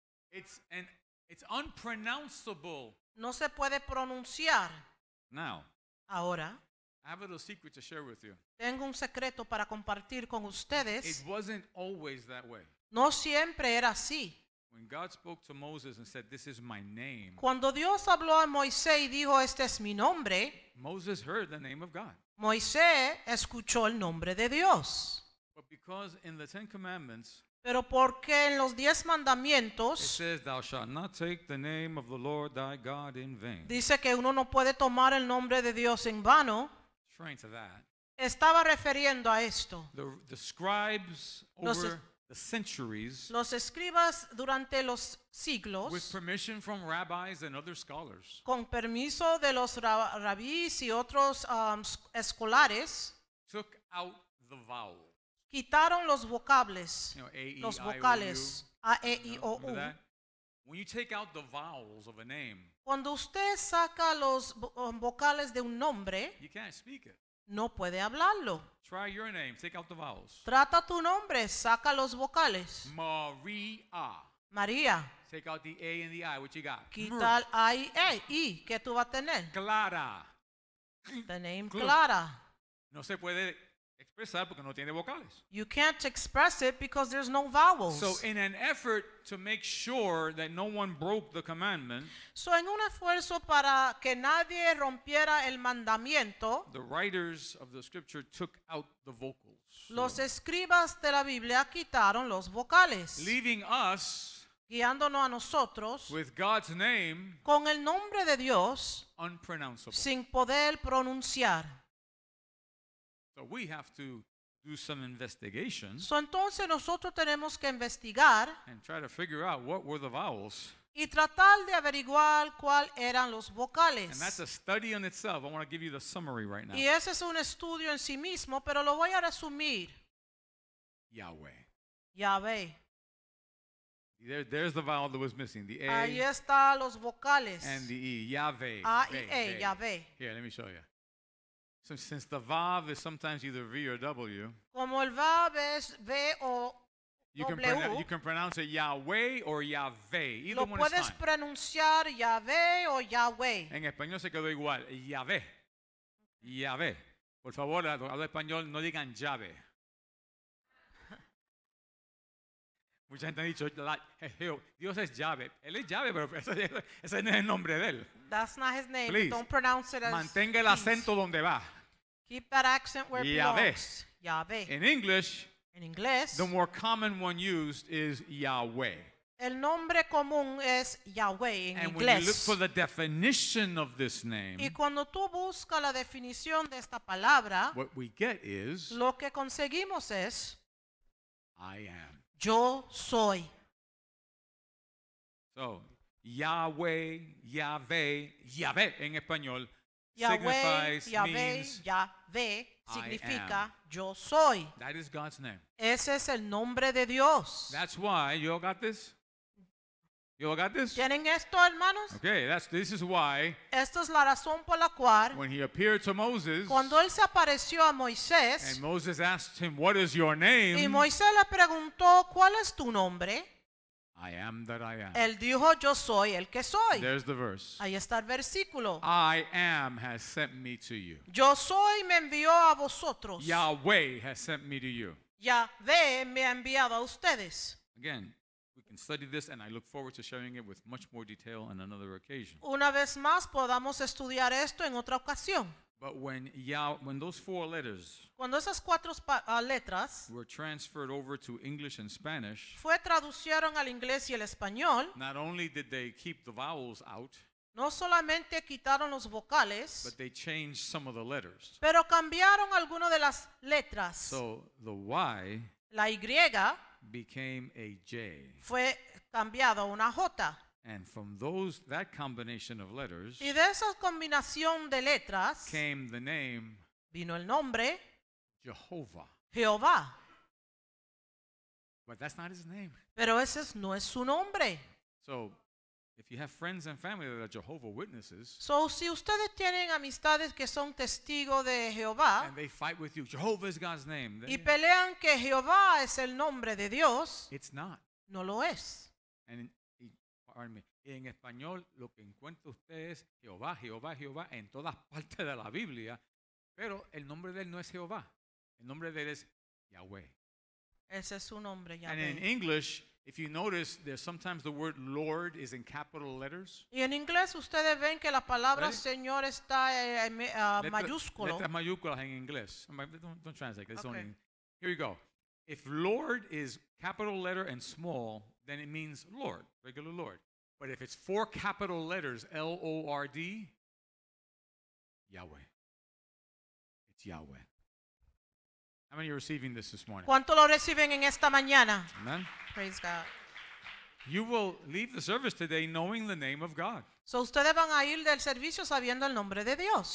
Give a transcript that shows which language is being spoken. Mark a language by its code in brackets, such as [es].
[en] It's unpronounceable. [es] No se puede pronunciar. [en] Now. [es] Ahora. [en] I have a little secret to share with you. [es] Tengo un secreto para compartir con ustedes. [en] It wasn't always that way. [es] No siempre era así. [en] When God spoke to Moses and said, "This is my name." [es] Cuando Dios habló a Moisés y dijo, "Este es mi nombre." [en] Moses heard the name of God. [es] Moisés escuchó el nombre de Dios. [en] But because in the Ten Commandments, [es] pero porque en los diez mandamientos, [en] it says, "Thou shalt not take the name of the Lord thy God in vain." [es] Dice que uno no puede tomar el nombre de Dios en vano. [en] Referring to that, [es] estaba refiriendo a esto. [en] The scribes over the centuries, [es] los escribas durante los siglos, [en] with permission from rabbis and other scholars, [es] con permiso de los rabíes y otros escolares, [en] took out the vowel. [es] Quitaron los vocables, [en] you know, [es] los vocales, A, E, I, O, U. [en] When you take out the vowels of a name, [es] cuando usted saca los vocales de un nombre, [en] you can't speak it. [es] No puede hablarlo. [en] Try your name, take out the vowels. [es] Trata tu nombre, saca los vocales. [en] Maria. [es] María. [en] Take out the A and the I, what you got? [es] Quita el A y E, I, ¿qué tú vas a tener? [en] Clara. The name Clara. [es] No se puede expresar porque no tiene vocales. [en] You can't express it because there's no vowels. So in an effort to make sure that no one broke the commandment, [es] so en un esfuerzo para que nadie rompiera el mandamiento, [en] the writers of the scripture took out the vocals. [es] Los escribas de la Biblia quitaron los vocales. [en] Leaving us, [es] guiándonos a nosotros, [en] with God's name, [es] con el nombre de Dios, [en] unpronounceable, [es] sin poder pronunciar. [en] So we have to do some investigation. [es] So entonces nosotros tenemos que investigar [en] and try to figure out what were the vowels. [es] Y tratar de averiguar cuál eran los vocales. [en] And that's a study in itself. I want to give you the summary right now. [es] Y ese es un estudio en sí mismo, pero lo voy a resumir. [en] Yahweh. [es] Yahweh. [en] There's the vowel that was missing, the A. [es] Ahí está los vocales. [en] And the E, Yahweh. [es] A y E, Yahweh. [en] Here, let me show you. So since the vav is sometimes either V or W, [es] como el vav es V o [en] you can pronounce it Yahweh or Yahweh. Either [es] lo [en] one is [es] puedes [en] fine. [es] Pronunciar Yahweh o Yahweh. En español se quedó igual, Yahweh. Yahweh. Por favor, habla español, no digan llave. Mucha gente ha dicho, Dios es llave. Él es llave, pero ese no es el nombre de él. [en] That's not his name. Please, don't pronounce it as [es] mantenga el acento [en] please. [es] Donde va. [en] Keep that accent where it belongs. Yahweh. In English, the more common one used is Yahweh. [es] El nombre común es Yahweh en [en] and And when you look for the definition of this name, [es] y cuando tú buscas la definición de esta palabra, [en] what we get is, [es] lo que conseguimos es, [en] I am. [es] Yo soy. [en] So, Yahweh, Yahweh, Yahweh [es] en español. [en] Yahweh, signifies, Yahweh, means, [es] Yahweh, significa yo soy. [en] That is God's name. [es] Ese es el nombre de Dios. [en] That's why, you all got this? You all got this? [es] ¿Tienen esto, hermanos? [en] Okay, this is why, [es] esto es la razón por la cual, [en] when he appeared to Moses, [es] cuando él se apareció a Moisés, [en] and Moses asked him, what is your name? [es] Y Moisés le preguntó, ¿cuál es tu nombre? [en] I am that I am. [es] Él dijo, yo soy el que soy. [en] There's the verse. [es] Ahí está el versículo. [en] I am has sent me to you. [es] Yo soy me envió a vosotros. [en] Yahweh has sent me to you. [es] Yahweh me ha enviado a ustedes. [en] Again, we can study this, and I look forward to sharing it with much more detail on another occasion. [es] Una vez más, podamos estudiar esto en otra ocasión. [en] But when Yah, when those four letters, [es] cuando esas cuatro letras, [en] were transferred over to English and Spanish, [es] fue traducieron al inglés y el español. [en] Not only did they keep the vowels out, [es] no solamente quitaron los vocales, [en] but they changed some of the letters. [es] Pero cambiaron algunas de las letras. [en] So the Y, [es] la Y, [en] became a J, [es] fue cambiado a una J. [en] And from those, that combination of letters, [es] y de esa combinación de letras, [en] came the name, [es] vino el nombre, [en] Jehovah. [es] Jehová. [en] But that's not his name. [es] Pero ese no es su nombre. [en] So, if you have friends and family that are Jehovah Witnesses, [es] so si ustedes tienen amistades que son testigos de Jehová, [en] and they fight with you, Jehovah is God's name, [es] y pelean que Jehová es el nombre de Dios, [en] it's not. [es] No lo es. [en] And pardon me. [es] Y en español lo que encuentra usted es Jehová, Jehová, Jehová en todas partes de la Biblia, pero el nombre de él no es Jehová. El nombre de él es Yahweh. Ese es su nombre, Yahweh. [en] And in English, if you notice, there's sometimes the word Lord is in capital letters. [es] Y en inglés ustedes ven que la palabra ¿vale? Señor está mayúsculo. Letras mayúsculas en inglés. [en] Don't translate. It's okay. Only, here we go. If Lord is capital letter and small, then it means Lord, regular Lord. But if it's four capital letters, L-O-R-D, Yahweh. It's Yahweh. How many are receiving this morning? [es] ¿Cuánto lo reciben en esta mañana? [en] Amen. Praise God. You will leave the service today knowing the name of God. [es] So ustedes van a ir del servicio sabiendo el nombre de Dios.